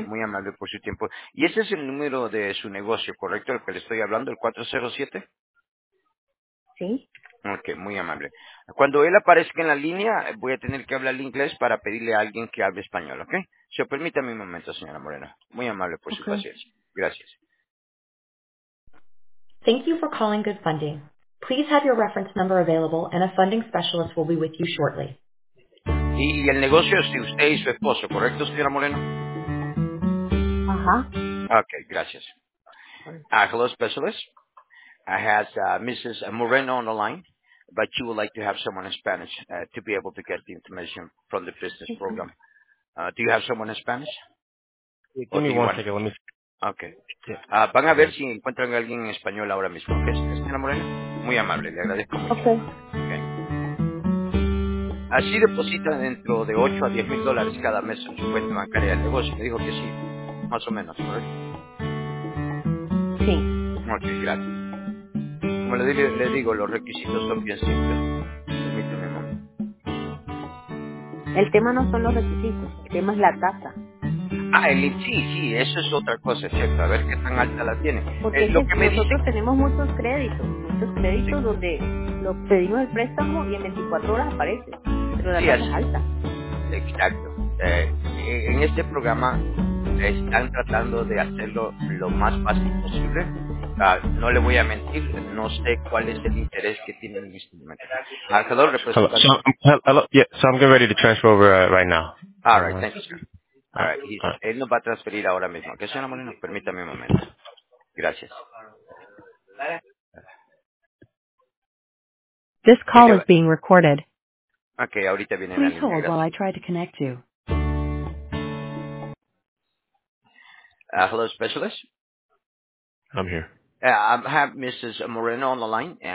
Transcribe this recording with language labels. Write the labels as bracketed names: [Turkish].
[Spanish] muy amable por su tiempo. Y ese es el número de su negocio, ¿correcto? El que le estoy hablando, el 407. Sí. Ok, muy amable. Cuando él aparezca en la línea, voy a tener que hablar inglés para pedirle a alguien que hable español, ¿ok? Si permita mi momento, señora Moreno. Muy amable por su paciencia. Gracias. [English] Thank you for calling Good Funding. Please have your reference number available and a funding specialist will be with you shortly. [Spanish] Y el negocio es de usted y su esposo, ¿correcto, señora Moreno? Ajá. Ok, gracias. [English] Hello, specialist. I have Mrs. Moreno on the line, but you would like to have someone in Spanish to be able to get the information from the business program. Do you have someone in Spanish? Give me one second. Okay. [Spanish] Van a ver si encuentran alguien en español ahora mismo. ¿Qué es, señora Moreno? Muy amable, le agradezco mucho. [English] Okay. [Spanish] Así deposita dentro de 8 a 10 mil dólares cada mes en su cuenta bancaria del negocio. Me dijo que sí, más o menos, ¿verdad? Sí. Ok, gracias. Como le digo, los requisitos son bien simples. Permíteme, mamá. El tema no son los requisitos, el tema es la tasa. Sí, eso es otra cosa, cierto. A ver qué tan alta la tiene. Porque tenemos muchos créditos sí. Donde lo pedimos el préstamo y en 24 horas aparece, pero la tasa es alta. Exacto. En este programa están tratando de hacerlo lo más fácil posible. No le voy a mentir, no sé cuál es el interés que tiene el instrumento. [English] So I'm getting ready to transfer over right now. All right, thank you, sir. All right. [Spanish] Él nos va a transferir ahora mismo. Que señora Moreno, permítame un momento. Gracias. [English] This call is being recorded. [Spanish] Okay, ahorita viene. [English] Please hold while I try to connect you. Hello, specialist. I'm here. I have Mrs. Moreno on the line.